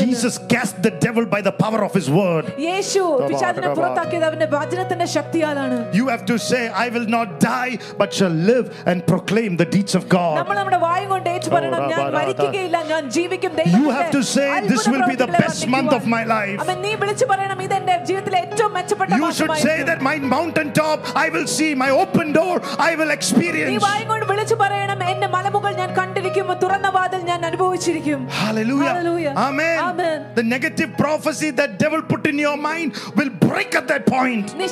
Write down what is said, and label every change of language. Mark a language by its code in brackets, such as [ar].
[en] Jesus cast the devil by the power of his word [ml] യേശു പിശാചിനെ പുറത്താക്കിയത് അവന്റെ വചനത്തിന്റെ ശക്തിയാലാണ് [en] You have to say I will not die but shall live and proclaim the deeds of God [ml] നമ്മൾ നമ്മുടെ വായും കൊണ്ട് ഏറ്റുപറയണം ഞാൻ മരിക്കുകയില്ല ഞാൻ ജീവിക്കും ദൈവത്തിന്റെ [en] You have to say this will be the best month of my life [ml] അമ്മേ നീ വിളിച്ചു പറയണം ഇത് എന്റെ ജീവിതത്തിലെ ഏറ്റവും മെച്ചപ്പെട്ട മാസമായി [en] You should say that my mountain top I will see my open door I will experience [ml] നീ വായും കൊണ്ട് വിളിച്ചു പറയണം എന്റെ മലമുകൾ ഞാൻ കണ്ടിരിക്കും തുറന്ന വാതിൽ ഞാൻ അനുഭവിച്ചു [en] Hallelujah. Hallelujah. Amen. Amen. The negative prophecy that devil put in your mind will break at that point.